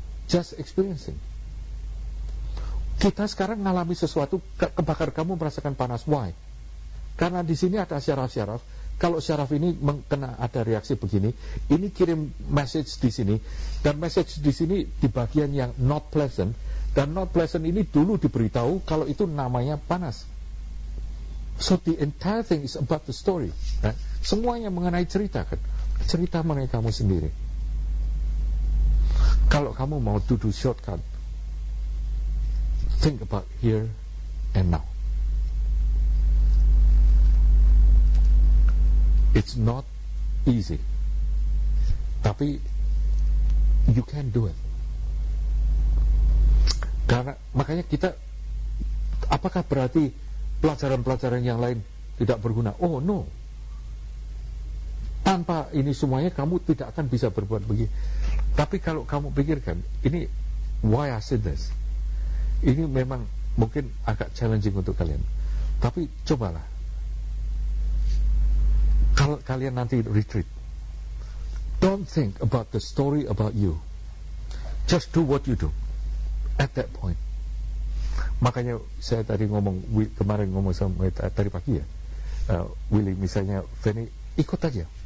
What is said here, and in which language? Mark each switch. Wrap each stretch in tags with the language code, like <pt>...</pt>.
<en>Just experiencing.</en> <id>Kita sekarang ngalami sesuatu, kebakar kamu merasakan panas. Why? Karena di sini ada syaraf-syaraf. Kalau syaraf ini kena ada reaksi begini, ini kirim message di sini, dan message di sini di bagian yang not pleasant, dan not pleasant ini dulu diberitahu kalau itu namanya panas.</id> <en>So the entire thing is about the story, right?</en> <id>Semuanya mengenai cerita kan? Cerita mengenai kamu sendiri. Kalau kamu mau duduk shortcut,</id> <en>think about here and now. It's not easy,</en> <id>tapi</id> <en>you can do it.</en> <id>Karena makanya kita, apakah berarti pelajaran-pelajaran yang lain tidak berguna?</id> <en>Oh no.</en> <id>Tanpa ini semuanya kamu tidak akan bisa berbuat begini. Tapi kalau kamu pikirkan, ini why I said this, ini memang mungkin agak challenging untuk kalian. Tapi cobalah. Kalau kalian nanti</id> <en>retreat, don't think about the story about you. Just do what you do at that point.</en> <id>Makanya saya tadi ngomong, kemarin ngomong sama tadi pagi ya, Willy misalnya, Fanny, ikut aja.</id>